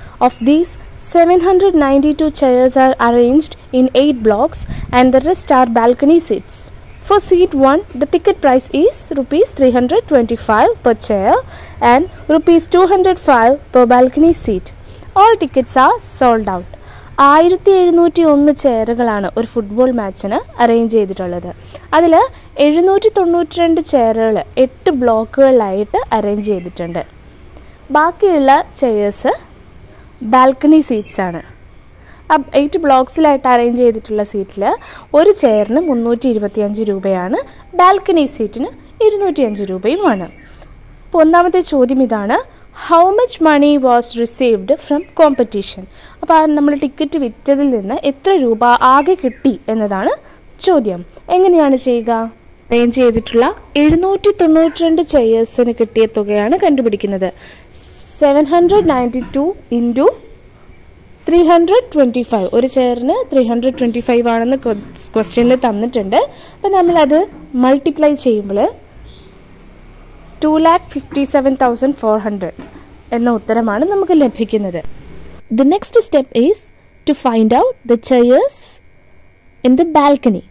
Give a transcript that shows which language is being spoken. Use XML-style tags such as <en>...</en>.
<en>Of these, 792 chairs are arranged in 8 blocks and the rest are balcony seats. For seat 1, the ticket price is ₹325 per chair and ₹205 per balcony seat. All tickets are sold out.</en> <ml>1701 ചെയറുകളാണ് ഒരു football മാച്ചിന് arrange ചെയ്തിട്ടുള്ളത് അതിൽ 792 ചെയറുകൾ 8 ബ്ലോക്കുകളായിട്ട് arrange ചെയ്തിട്ടുണ്ട് ബാക്കിയുള്ള chairs balcony seats ആണ് അപ്പ 8 ബ്ലോക്സിലായിട്ട് arrange ചെയ്തിട്ടുള്ള സീറ്റിൽ ഒരു ചെയറിന് ₹325 ബാൽക്കണി സീറ്റിന് ₹205 ഒന്നാമത്തെ ചോദ്യം ഇതാണ് How much money was received from competition? അപ്പോൾ നമ്മൾ ടിക്കറ്റ് വിറ്റതിൽ നിന്ന് എത്ര രൂപ ആകെ കിട്ടി എന്നതാണ് ചോദ്യം. എങ്ങനെയാണ് ചെയ്യുക? അറേഞ്ച് ചെയ്തിട്ടുള്ള 792 ചെയേഴ്സിന് കിട്ടിയ തുകയാണ് കണ്ടുപിടിക്കുന്നത്. 792 × 325 ഒരു ചെയറിന് 325 ആണെന്ന് ക്വസ്റ്റ്യനിൽ തന്നിട്ടുണ്ട്. അപ്പോൾ നമ്മൾ അത് മൾട്ടിപ്ലൈ ചെയ്യുമ്പോൾ 257,400.</ml> <en>The next step is to find out the chairs in the balcony.</en>